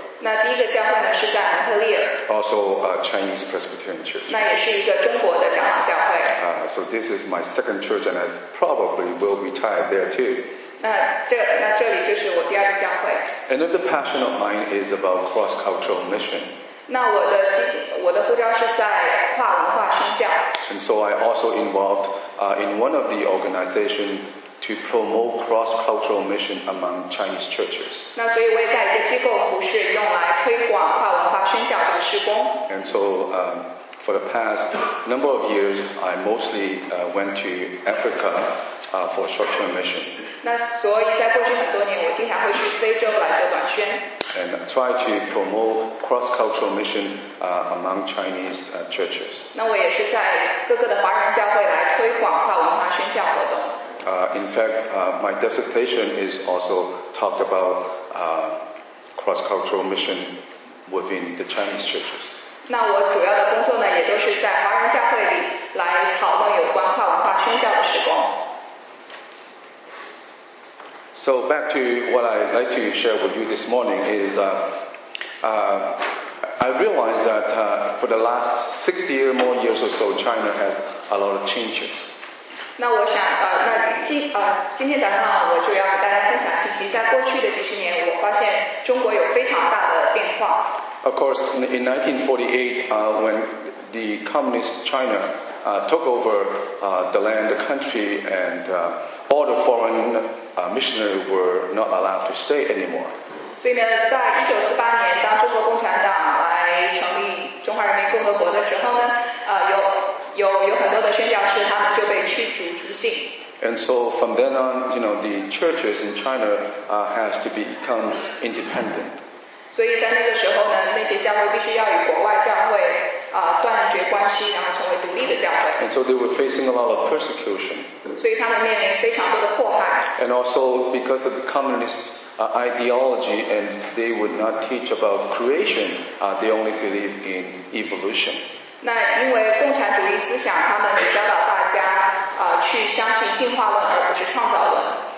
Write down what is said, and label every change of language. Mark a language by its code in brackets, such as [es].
[zh] 那第一个教会呢是在蒙特利尔。 [en] Also a Chinese Presbyterian church. [zh] 那也是一个中国的长老教会。 [en] So this is my second church and I probably will retire there too. [zh] 那这里就是我第二个教会。 [en] Another passion of mine is about cross-cultural mission. [zh] 那我的护照是在跨文化宣教。 [en] And so I also involved in one of the organizations to promote cross-cultural mission among Chinese churches. [zh] 那所以我也在一个机构服事，用来推广跨文化宣教这个事工。 [en] And so for the past number of years, I mostly went to Africa for short-term mission. [zh] 那所以在过去很多年，我经常会去非洲来做短宣。 [en] And try to promote cross-cultural mission among Chinese churches. [zh] 那我也是在各个的华人教会来推广跨文化宣教活动。 [en] In fact, my dissertation is also talked about cross-cultural mission within the Chinese churches. [zh] 那我主要的工作呢，也都是在华人教会里来讨论有关跨文化宣教的事工。 [en] So back to what I'd like to share with you this morning is, I realize that for the last 60 or more years or so, China has a lot of changes. [zh] 那我想，今天早上我就要给大家分享信息。在过去的几十年，我发现中国有非常大的变化。 [en] Of course, in 1948, when the communist China took over the land, the country, and all the foreign missionaries were not allowed to stay anymore. [zh] 所以呢，在1948年，当中国共产党来成立中华人民共和国的时候呢，有很多的宣教士他们就被驱逐出境。 [en] And so from then on, you know, the churches in China has to become independent. [zh] 所以在那个时候呢，那些教会必须要与国外教会断绝关系，然后成为独立的教会。 [en] And so they were facing a lot of persecution. [zh] 所以他们面临非常多的迫害。 [en] And also because of the communist ideology, and they would not teach about creation, they only believe in evolution. [zh] 那因为共产主义思想，他们教导大家去相信进化论而不是创造论。